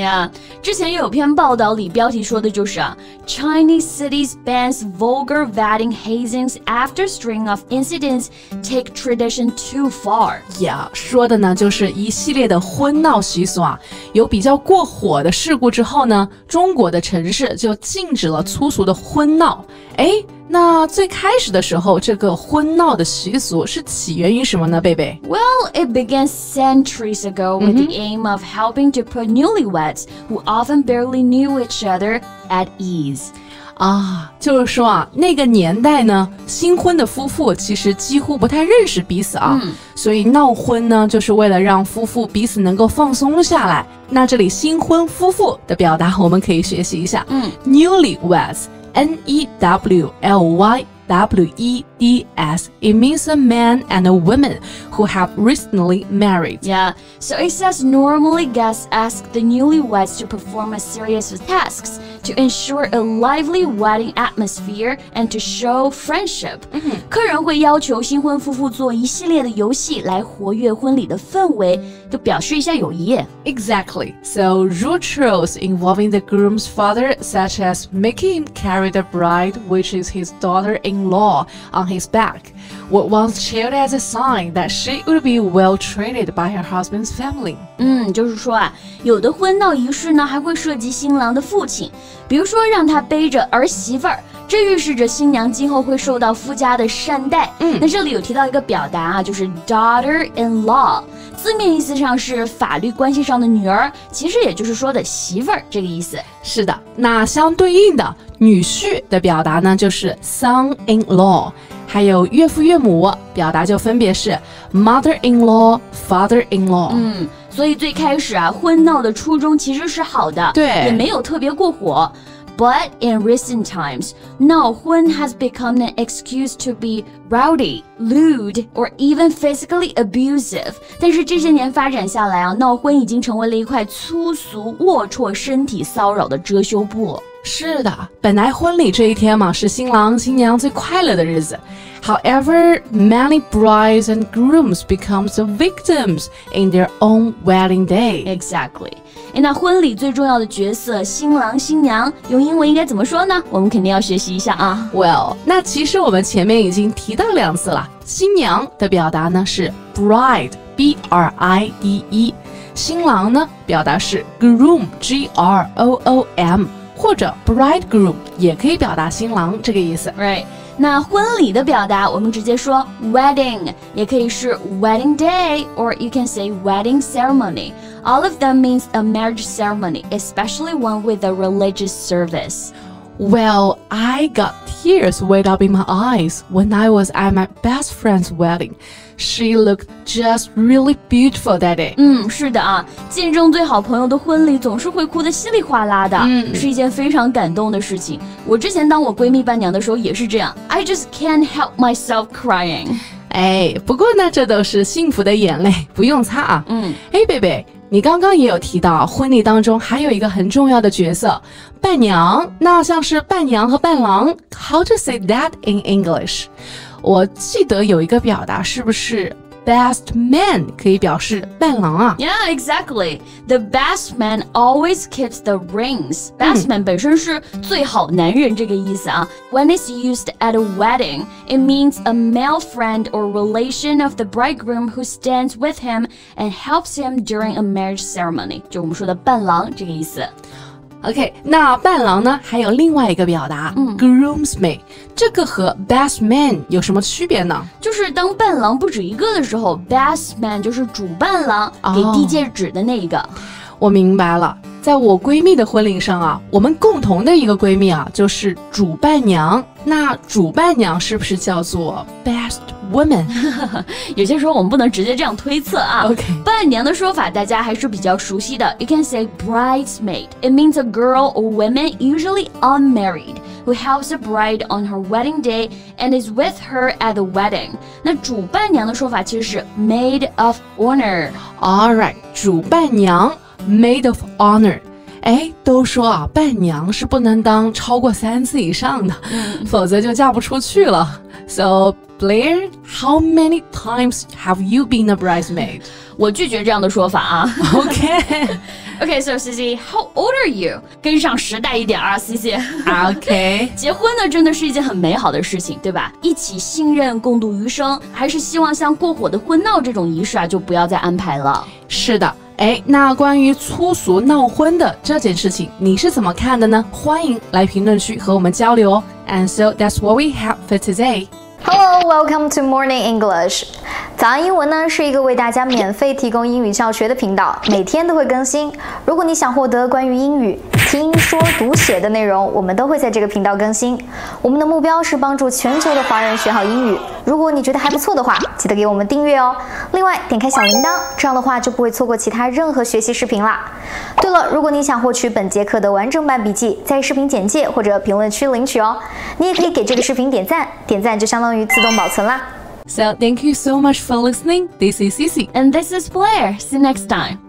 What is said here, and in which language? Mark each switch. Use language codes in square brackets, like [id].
[en] yeah, [zh] 之前有篇报道里标题说的就是、 [en] Chinese cities bans vulgar wedding hazings after string of incidents take tradition too far. [zh] Yeah, 说的呢就是一系列的婚闹习俗啊有比较过火的事故之后呢，中国的城市就禁止了粗俗的婚闹。哎，那最开始的时候这个婚闹的习俗是起源于什么呢，贝贝？ [en] Well, it began centuries ago with、the aim of helping to put newlyweds who often barely knew each other at ease. [zh] 啊，就是说啊，那个年代呢，新婚的夫妇其实几乎不太认识彼此啊、所以闹婚呢就是为了让夫妇彼此能够放松下来。那这里新婚夫妇的表达我们可以学习一下、newlyweds,N-E-W-L-Y-W-E-D-S. [en] It means a man and a woman who have recently married. Yeah, so it says normally guests ask the newlyweds to perform a series of tasks to ensure a lively wedding atmosphere and to show friendship. [zh] 客人会要求新婚夫妇做一系列的游戏来活跃婚礼的氛围，就表示一下友谊。 [en] Exactly. So rituals involving the groom's father, such as making him carry the bride, which is his daughter-in-law, on his back, were once shared as a sign that she would be well-treated by her husband's family. [zh] 就是说啊，有的婚闹仪式呢还会涉及新郎的父亲，比如说让他背着儿媳妇儿，这预示着新娘今后会受到夫家的善待。那这里有提到一个表达啊，就是 daughter-in-law, 字面意思上是法律关系上的女儿，其实也就是说的媳妇儿这个意思。是的，那相对应的女婿的表达呢就是 son-in-law, 还有岳父岳母表达就分别是 mother-in-law, father-in-law。所以最开始啊，婚闹的初衷其实是好的，对，也没有特别过火。 [en] But in recent times, 闹婚 has become an excuse to be rowdy, lewd, or even physically abusive. [zh] 但是这些年发展下来啊，闹婚已经成为了一块粗俗、龌龊、身体骚扰的遮羞布。是的，本来婚礼这一天嘛，是新郎新娘最快乐的日子。 [en] However, many brides and grooms become the victims in their own wedding day. Exactly. [zh] 诶，那婚礼最重要的角色，新郎新娘，用英文应该怎么说呢？我们肯定要学习一下啊。 Well, 那其实我们前面已经提到两次了，新娘的表达呢是 bride, B-R-I-D-E, 新郎呢表达是 groom, G-R-O-O-M,或者 bridegroom 也可以表达新郎这个意思 [en] Right [zh] 那婚礼的表达我们直接说 [en] wedding 也可以是 wedding day Or you can say wedding ceremony All of them means a marriage ceremony Especially one with a religious service Well, I got tears welled up in my eyes When I was at my best friend's wedding She looked just really beautiful that day. [zh] 是的啊，见证最好朋友的婚礼总是会哭得稀里哗啦的，是一件非常感动的事情。我之前当我闺蜜伴娘的时候也是这样。 [en] I just can't help myself crying. [zh] 哎，不过呢，这都是幸福的眼泪，不用擦啊。哎，贝贝，你刚刚也有提到婚礼当中还有一个很重要的角色，伴娘。那像是伴娘和伴郎 ， [en] How to say that in English? [zh] 我记得有一个表达是不是 best man 可以表示伴郎啊 [en] Yeah, exactly. The best man always keeps the rings. Best man [zh] 本身是最好男人这个意思啊 [en] When it's used at a wedding, it means a male friend or relation of the bridegroom who stands with him and helps him during a marriage ceremony. [zh] 就我们说的伴郎这个意思。 OK, 那伴郎呢还有另外一个表达、Groomsmaid 这个和 best man 有什么区别呢就是当伴郎不止一个的时候 best man 就是主伴郎给递戒指的那一个、我明白了在我闺蜜的婚礼上啊我们共同的一个闺蜜啊就是主伴娘那主伴娘是不是叫做 best woman 有些时候我们不能直接这样推测啊、 [en] okay. [zh] 伴娘的说法大家还是比较熟悉的 [en] You can say bridesmaid It means a girl or woman usually unmarried Who helps a bride on her wedding day And is with her at the wedding [zh] 那主伴娘的说法其实是 [en] maid of honor [zh] Alright 主伴娘Maid of honor 哎，都说啊，伴娘是不能当超过三次以上的否则就嫁不出去了 [en] So Blair How many times have you been a bridesmaid? [zh] 我拒绝这样的说法啊 [en] OK OK so Cici How old are you? [zh] 跟上时代一点啊 [en] Cici OK [zh] 结婚呢真的是一件很美好的事情对吧一起信任共度余生还是希望像过火的婚闹这种仪式啊就不要再安排了是的哎，那关于粗俗闹婚的这件事情，你是怎么看的呢？欢迎来评论区和我们交流哦。 [en] And so that's what we have for today. Hello, welcome to Morning English. [zh] 早安英文呢是一个为大家免费提供英语教学的频道，每天都会更新。如果你想获得关于英语听说读写的内容，我们都会在这个频道更新。我们的目标是帮助全球的华人学好英语。如果你觉得还不错的话，记得给我们订阅哦。另外，点开小铃铛，这样的话就不会错过其他任何学习视频啦。对了，如果你想获取本节课的完整版笔记，在视频简介或者评论区领取哦。你也可以给这个视频点赞，点赞就相当于自动保存啦。 [en] So, thank you so much for listening. This is Cici. And this is Blair. See you next time.